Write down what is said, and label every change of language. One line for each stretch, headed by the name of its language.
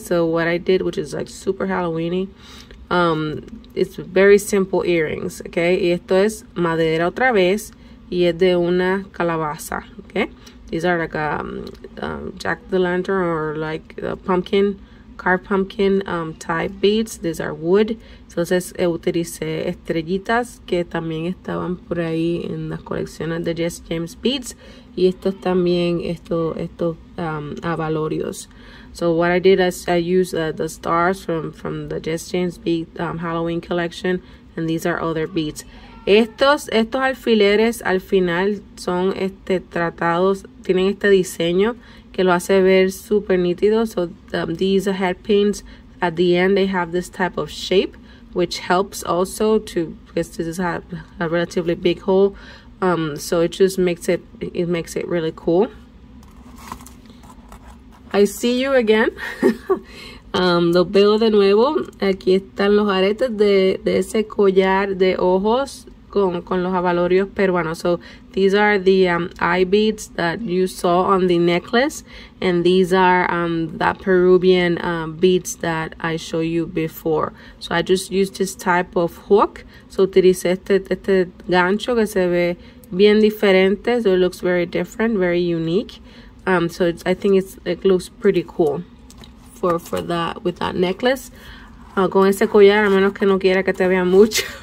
English: So what I did, which is like super Halloween-y, it's very simple earrings. Okay.
Spanish: Y esto es madera otra vez y es de una calabaza. Okay.
English: These are like a jack-o'-lantern or like a pumpkin, carved pumpkin type beads. These are wood.
Spanish: Entonces, utilicé estrellitas que también estaban por ahí en las colecciones de Jesse James Beads. Y estos también, estos abalorios.
English: So, what I did is I used the stars from the Jesse James Beads Halloween collection. And these are other beads.
Spanish: Estos alfileres al final son tratados, tienen este diseño que lo hace ver super nítido.
English: So these head pins at the end, they have this type of shape, which helps also to, because this is a relatively big hole, so it just makes it really cool. I see you again.
Spanish: Los veo de nuevo. Aquí están los aretes de ese collar de ojos con los abalorios peruanos.
English: So these are the eye beads that you saw on the necklace, and these are that Peruvian beads that I showed you before. So I just used this type of hook. So
Spanish: utilicé este gancho que se ve bien diferente.
English: So it looks very different, very unique. So it's, I think it looks pretty cool for that, with that necklace.
Spanish: Con ese collar, a menos que no quiera que te vean mucho.